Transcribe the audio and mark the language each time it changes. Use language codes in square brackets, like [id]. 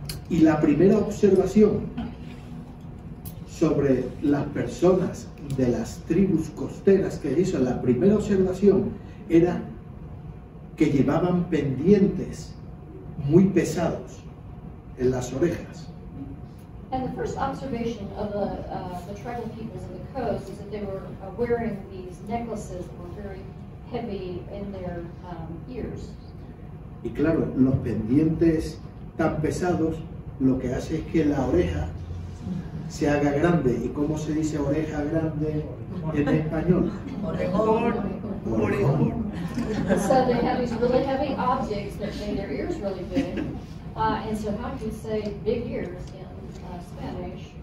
[es] Y la primera observación sobre las personas de las tribus costeras que hizo, la primera observación era que llevaban pendientes muy pesados en las orejas. And the first observation of the tribal peoples of the coast is that they were wearing these necklaces that were very heavy in their ears. Y claro, los pendientes tan pesados lo que hace es que la oreja se haga grande. ¿Y cómo se dice oreja grande en español? Orejón. [en] So they have these really heavy objects that made their ears really big. And so how do you say big ears in Spanish?